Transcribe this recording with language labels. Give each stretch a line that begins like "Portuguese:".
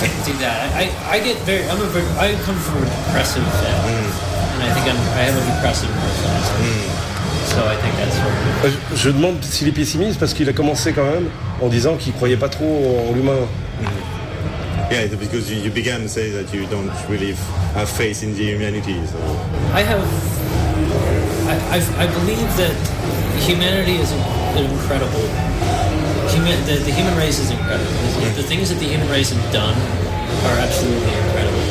English: I come from a depressive family, and I think I have a depressive personality. So I think that's what it is.
French: Je demande s'il est pessimiste parce qu'il a commencé quand même en disant qu'il croyait pas trop en l'humain.
English: Yeah, because you began to say that you don't really have faith in the humanity. So. I believe that humanity is incredible. The human race is incredible. The things that the human race has done are absolutely incredible.